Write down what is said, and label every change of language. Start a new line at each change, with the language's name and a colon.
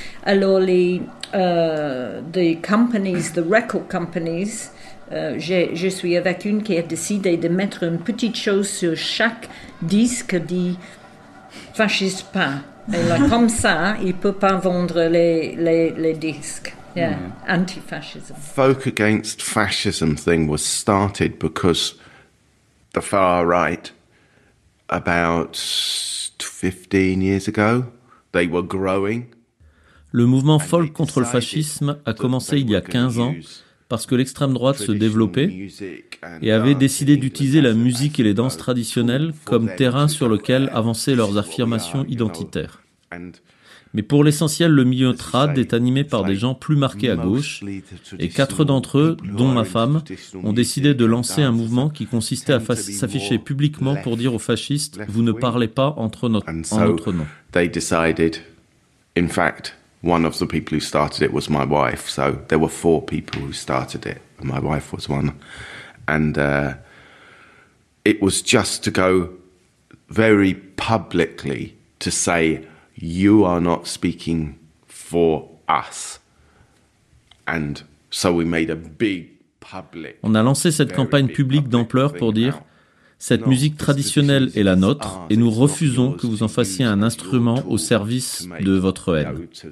French: Alors les companies,
English: the record companies,
French: je suis avec une qui a décidé de mettre une petite chose sur chaque disque dit fasciste pain. Et là, comme ça, il ne peut pas vendre les disques.
English: Yeah, anti-fascism. Folk Against Fascism thing was started because the far right, about 15 years ago, they were growing.
French: Le mouvement folk contre le fascisme a commencé il y a 15 ans parce que l'extrême droite se développait et avait décidé d'utiliser la musique et les danses traditionnelles comme terrain sur lequel avancer leurs affirmations identitaires. Mais pour l'essentiel, le milieu trad est animé par des gens plus marqués à gauche, et quatre d'entre eux, dont ma femme, ont décidé de lancer un mouvement qui consistait à s'afficher publiquement pour dire aux fascistes « Vous ne parlez pas en notre nom ».
English: They decided, in fact, one of the people who started it was my wife. So there were four people who started it, and my wife was one. And it was just to go very publicly to say, you are not speaking for us. And so we made a big public.
French: On a lancé cette campagne publique d'ampleur pour dire cette musique traditionnelle est la nôtre et nous refusons que vous en fassiez un instrument au service de votre haine.